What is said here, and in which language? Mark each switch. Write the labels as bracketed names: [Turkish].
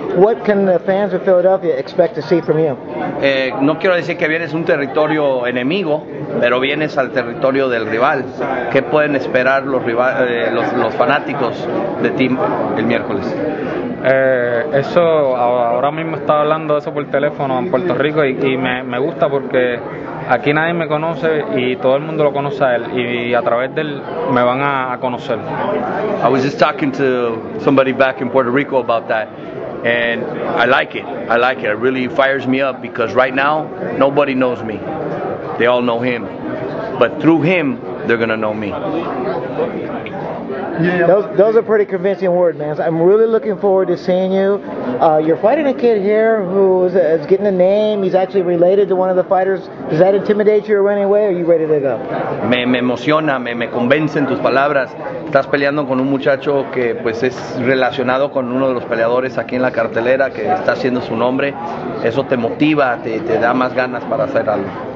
[English] What can the fans of Philadelphia expect to see from you? [Spanish] No quiero decir que vienes un territorio enemigo, pero vienes al territorio del rival. ¿Qué pueden esperar los fanáticos de ti el miércoles? Eso ahora mismo estaba hablando de eso por teléfono en Puerto Rico y me gusta porque aquí nadie me conoce y todo el mundo lo conoce a él y a través de él me van a conocer. [English] I was just talking to somebody back in Puerto Rico about that and I like it. It really fires me up because right now nobody knows me. They all know him. But through him they're gonna know me. Those are pretty convincing words, man. I'm really looking forward to seeing you. You're fighting a kid here who is getting a name. He's actually related to one of the fighters. Does that intimidate you in any way, or are you ready to go? [Spanish] Me emociona, me convencen tus palabras. Estás peleando con un muchacho que pues es relacionado con uno de los peleadores aquí en la cartelera que está haciendo su nombre. Eso te motiva, te da más ganas para hacer algo.